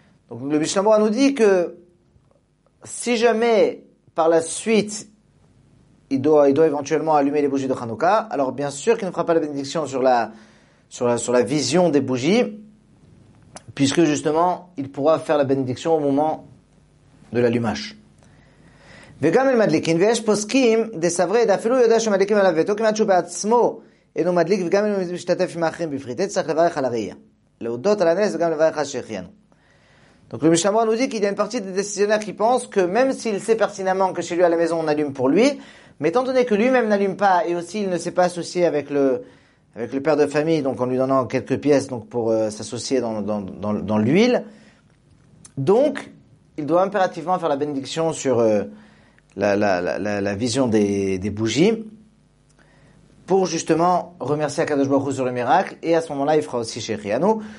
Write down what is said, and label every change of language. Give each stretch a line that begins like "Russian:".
French: Donc le Mishnah Berurah nous dit que si jamais par la suite il doit éventuellement allumer les bougies de Hanouka, alors bien sûr qu'il ne fera pas la bénédiction sur la vision des bougies, puisque justement il pourra faire la bénédiction au moment de l'allumage.
Hebrew: וגם אל מדליקין ויש פוסקים דסברי דאפילו יודע שמדליקים עליו ותוק כמעט שהוא בעצמו אינו מדליק וגם אם הוא משתתף עם האחרים בפריטי צריך לברך על הראייה להודות על הנס וגם לברך על שהחיינו.
French: Donc le Mishnah Berurah nous dit qu'il y a une partie des décisionnaires qui pensent que même s'il sait pertinemment que chez lui à la maison on allume pour lui, mais étant donné que lui-même n'allume pas et aussi il ne s'est pas associé avec le père de famille, donc en lui donnant quelques pièces donc pour s'associer dans l'huile, donc il doit impérativement faire la bénédiction sur la vision des bougies pour justement remercier Akadosh Baruch Hu sur le miracle, et à ce moment-là il fera aussi She'echiyanu.